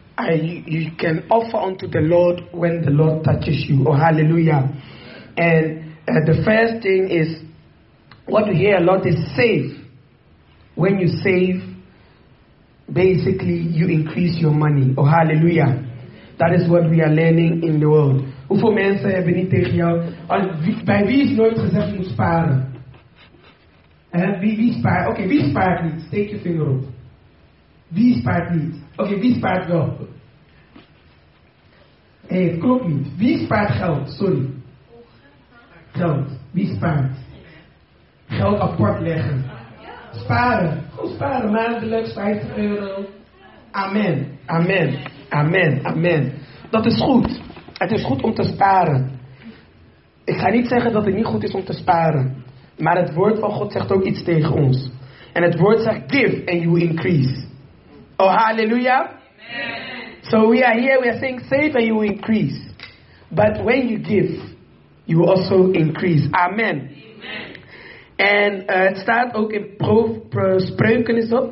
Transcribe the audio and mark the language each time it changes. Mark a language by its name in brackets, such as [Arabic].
[English] You can offer unto the Lord when the Lord touches you. Oh, hallelujah. And the first thing is, what we hear a lot is save. When you save, basically you increase your money. Oh, hallelujah. That is what we are learning in the world. [Dutch] Hoeveel mensen hebben niet tegen jou, bij wie is nooit gezegd je moet sparen? Wie spaart? Oké, wie spaart niet? Steek je vinger op. Wie spaart niet? Oké, wie spaart wel? Hey, het klopt niet. Wie spaart geld? Sorry. Geld. Wie spaart? Geld apart leggen. Sparen. Goed sparen. Maandelijks, 50 euro. Amen. Amen. Amen. Amen. Dat is goed. Het is goed om te sparen. Ik ga niet zeggen dat het niet goed is om te sparen. Maar het woord van God zegt ook iets tegen ons. En het woord zegt, [English] give and you increase. Oh, hallelujah. Amen. So we are here, we are saying, save and you increase. But when you give, you also increase. Amen. Amen. [Dutch] En het staat ook in Spreuken, is dat?